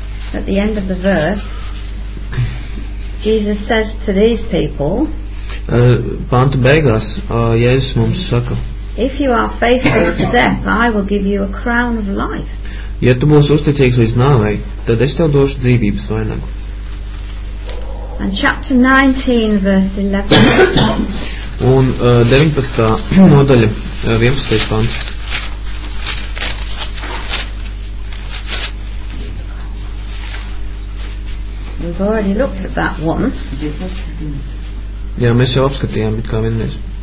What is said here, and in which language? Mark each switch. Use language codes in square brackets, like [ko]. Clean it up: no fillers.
[en] At the end of the verse, Jesus says to these people, [lv] Panta beigās, Jēzus mums saka, [en] if you are faithful to death, I will give you a crown of life. [lv] Ja tu būsi uzticīgs līdz nāvei, tad es tev došu dzīvības vainagu. [en] And chapter 19, verse 11. [lv] Un 19. nodaļa, 11. pants. [en] We've already looked at that once. [lv] Jā, mēs jau apskatījām, bet kā vienreiz.